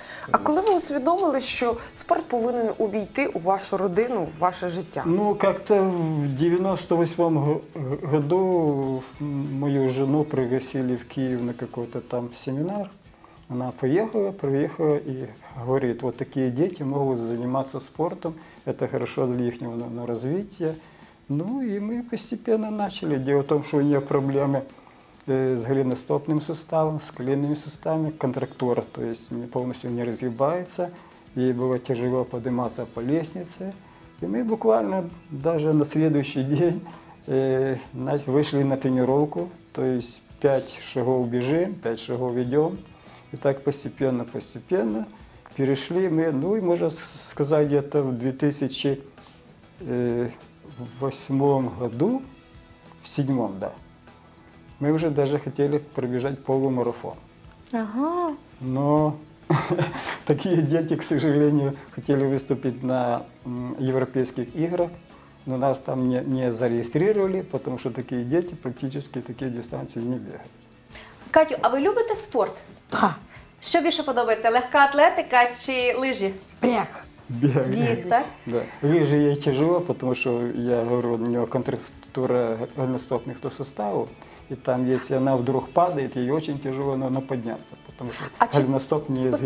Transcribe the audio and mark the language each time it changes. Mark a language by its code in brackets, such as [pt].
[uk] А коли ви усвідомили, що спорт повинен увійти у вашу родину, в ваше життя? Ну, як-то в 98-му році мою [ru] жену пригласили [uk] в Київ на якийсь там семінар. [ru] Она поехала, приехала и говорит, вот такие дети могут заниматься спортом, это хорошо для их развития. Ну и мы постепенно начали. Дело в том, что у нее проблемы с голеностопным суставом, с коленными суставами, контрактура, то есть полностью не разгибается. Ей было тяжело подниматься по лестнице. И мы буквально даже на следующий день вышли на тренировку, то есть 5 шагов бежим, 5 шагов идем. И так постепенно перешли мы, ну и можно сказать, где-то в 2008 году, в 2007, да, мы уже даже хотели пробежать полумарафон. Ага. Но такие дети, к сожалению, хотели выступить на европейских играх, но нас там не зарегистрировали, потому что такие дети практически такие дистанции не бегают. Катю, а вы любите спорт? Да. [uk] Що більше подобається, легка атлетика чи лижі? Біг, так? [ru] Да. [uk] Лижі є тяжко, тому що я говорю, у нього контрактура голеностопних суставів, і там, якщо вона вдруг падає, їй дуже тяжко піднятися, тому що голеностоп не згибається.